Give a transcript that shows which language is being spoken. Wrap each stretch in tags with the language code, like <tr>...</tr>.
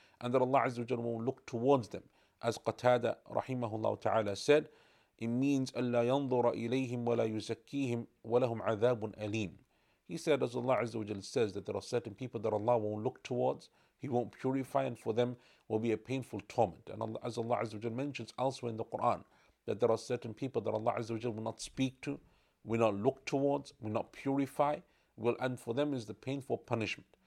<en>And that Allah Azza wa Jal will look towards them. As Qatada rahimahullah ta'ala said, it means</en> <ar>أَلَّا يَنْظُرَ إِلَيْهِمْ وَلَا يُزَكِّيهِمْ وَلَهُمْ عَذَابٌ أَلِيمٌ.</ar> <en>He said, as Allah Azza wa Jal says, that there are certain people that Allah won't look towards, He won't purify, and for them will be a painful torment. And as Allah Azza wa Jal mentions elsewhere in the Quran, that there are certain people that Allah Azza wa Jal will not speak to, will not look towards, will not purify, and for them is the painful punishment.</en>